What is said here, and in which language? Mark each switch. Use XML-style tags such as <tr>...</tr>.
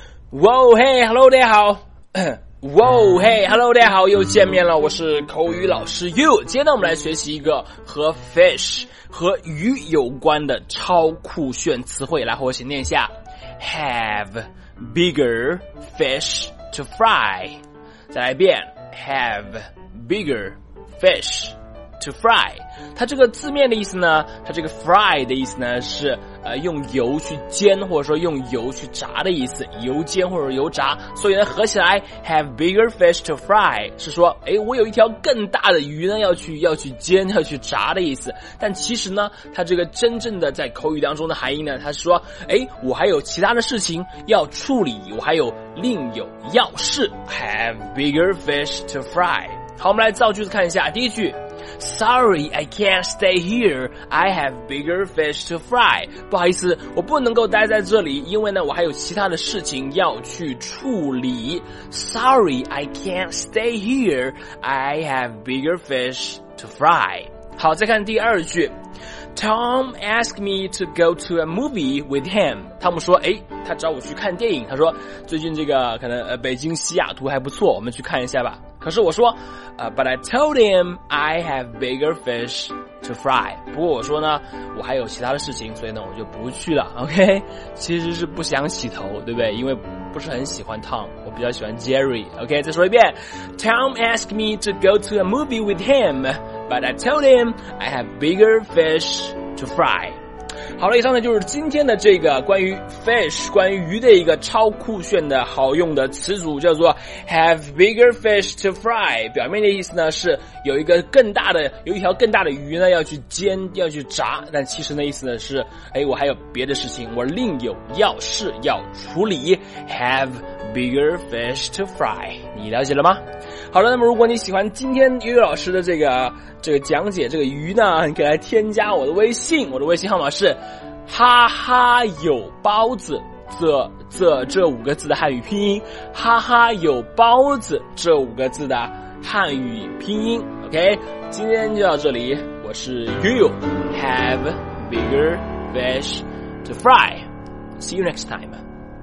<zh>哇哦嘿哈喽大家好哇哦嘿哈喽大家好又见面了，我是口语老师 You。今天我们来学习一个和 fish 和鱼有关的超酷炫词汇，来和我一起念一下。</zh> <en>Have bigger fish to fry，</en> <zh>再来一遍。</zh> <en>Have bigger fish to fry，</en> <zh>它这个字面的意思呢，它这个 fry 的意思呢是用油去煎或者说用油去炸的意思，油煎或者油炸，所以呢合起来</zh> <en>have bigger fish to fry</en> <zh>是说诶我有一条更大的鱼呢要去煎要去炸的意思。但其实呢它这个真正的在口语当中的含义呢，它是说诶我还有其他的事情要处理，我还有另有要事。</zh> <en>have bigger fish to fry。</en> <zh>好，我们来造句子看一下。第一句，</zh> <en>Sorry, I can't stay here. I have bigger fish to fry.</en> <zh>不好意思，我不能够待在这里，因为呢，我还有其他的事情要去处理。</zh> <en>Sorry, I can't stay here. I have bigger fish to fry.</en> <zh>好，再看第二句。</zh> <en>Tom asked me to go to a movie with him.</en> <zh>汤姆说，诶，他找我去看电影。他说，最近这个可能北京西雅图还不错，我们去看一下吧。可是我说</zh> <en>But I told him I have bigger fish to fry，</en> <zh>不过我说呢我还有其他的事情，所以呢我就不去了。 OK， 其实是不想洗头，对不对？因为不是很喜欢 Tom， 我比较喜欢 Jerry。 OK， 再说一遍。</zh> <en>Tom asked me to go to a movie with him， But I told him I have bigger fish to fry。</en> <zh>好了，以上呢就是今天的这个关于 fish 关于鱼的一个超酷炫的好用的词组，叫做</zh> <en>have bigger fish to fry。</en> <zh>表面的意思呢是有一个更大的有一条更大的鱼呢要去煎要去炸，但其实的意思呢是诶我还有别的事情，我另有要事要处理。</zh> <en>have bigger fish to fry，</en> <zh>你了解了吗？好了，那么如果你喜欢今天鱼老师的这个讲解，这个鱼呢，你可以来添加我的微信，我的微信号码是哈哈有包子，这五个字的汉语拼音，哈哈有包子这五个字的汉语拼音。</zh> <en>OK，</en> <zh>今天就到这里，我是</zh> <en>You Have bigger fish to fry. See you next time.</en>